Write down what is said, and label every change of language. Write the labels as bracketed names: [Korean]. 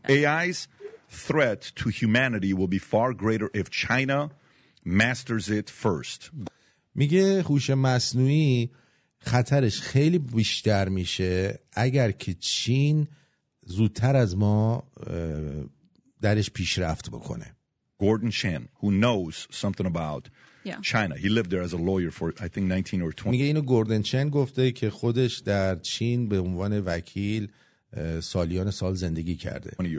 [English] AI's threat to humanity will be far greater if China masters it first. [Persian] میگه هوش مصنوعی خطرش خیلی بیشتر میشه اگر که چین زودتر از ما درش پیشرفت بکنه. [English] Gordon Chan, who knows something about China. He lived there as a lawyer for, I think, 19 or 20. [Persian] میگه اینو گوردن چن گفته که خودش در چین به عنوان وکیل سالیان سال زندگی کرده.